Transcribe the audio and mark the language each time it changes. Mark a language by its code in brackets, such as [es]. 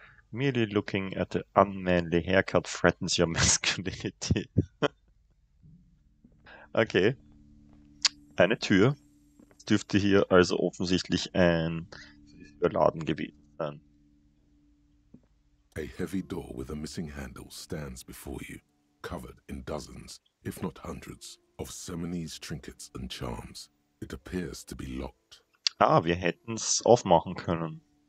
[en] Merely looking at the unmanly haircut threatens your masculinity. [de] Okay. Eine Tür. Dürfte hier also offensichtlich ein Laden gewesen sein. [en] A heavy door with a missing handle stands before you, covered in dozens, if not hundreds, of Siamese trinkets and charms. It appears to be locked. [de] Ah, wir hätten es aufmachen können.